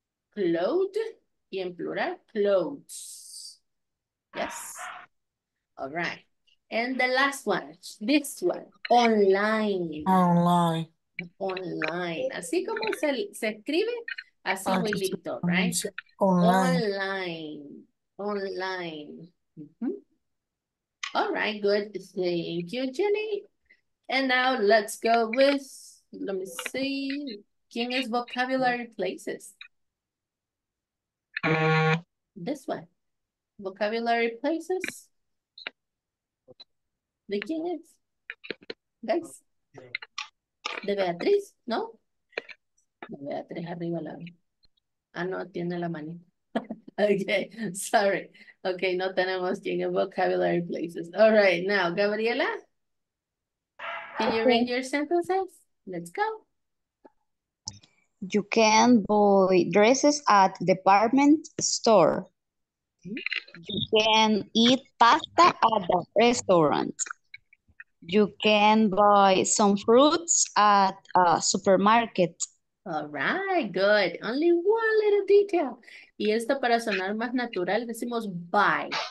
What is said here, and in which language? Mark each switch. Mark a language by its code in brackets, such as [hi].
[en] Clothed y en plural, clothes. Yes? All right. And the last one, this one, online. Online. Online. [es] Así como se escribe, así muy lindo, right? [en] Online. Online. All right, good. Thank you, Jenny. And now let's go with Let me see. [es] ¿Quién es [en] vocabulary places? This one. Vocabulary places. [es] ¿De quién es? Guys. ¿De Beatriz? ¿No? De Beatriz arriba la... Ah, no, tiene la manita. Okay, sorry. Okay, no tenemos quien en vocabulary places. [en] All right, now, Gabriela. Can you read your sentences? Let's go. You can buy dresses at department store. You can eat pasta at the restaurant. You can buy some fruits at a supermarket. All right, good. Only one little detail. [es] Y esto para sonar más natural, decimos buy.